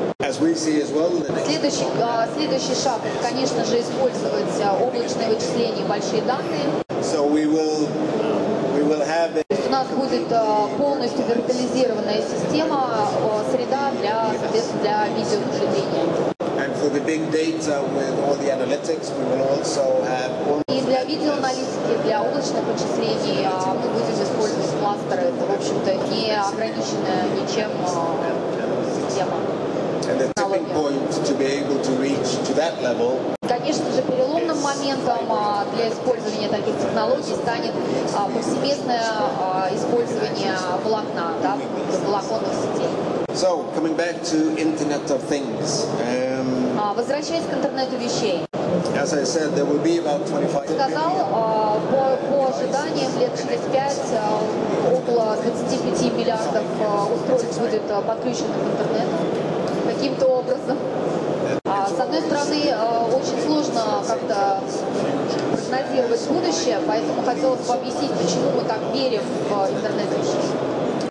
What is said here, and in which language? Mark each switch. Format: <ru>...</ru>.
<en>As we see as well, the next</en> <ru>следующий шаг, конечно же, использовать облачные вычисления, большие данные.</ru> <en>So we will have it.</en> <ru>То есть у нас будет полностью виртуализированная система, среда для, соответственно, для видеонаблюдения.</ru> <en>And for the big data with all the analytics, we will also have.</en> <ru>И для видеоаналитики, для облачных вычислений мы будем использовать кластеры. Это, в общем-то, не ограниченная ничем система.</ru> <en>And the tipping point. be able to reach to that level.</en> <ru>Конечно же, переломным моментом для использования таких технологий станет повсеместное использование волокна, да, волоконных сетей.</ru> <en>So, coming back to Internet of Things.</en> <ru>Возвращаясь к интернету вещей.</ru> <en>As I said, there will be about 25 billion.</en> <ru>По ожиданиям, лет через пять около 25 миллиардов устройств будет подключено к интернету каким-то образом. С одной стороны, очень сложно как-то прогнозировать будущее, поэтому хотелось бы объяснить, почему мы так верим в интернет вещей.</ru>